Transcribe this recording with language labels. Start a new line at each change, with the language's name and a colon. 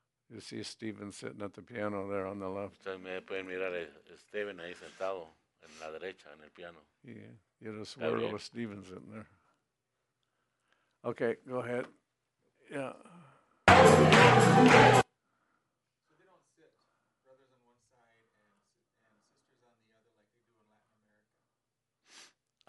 English: You see Stephen sitting at the piano there on the left.
Spanish: Me pueden mirar Stephen ahí sentado en la derecha en el piano.
English: Yeah, you just swear with Stephen sitting there. Okay, go ahead. Yeah. So they don't sit, brothers on one side and sisters on the other, like they do in Latin America.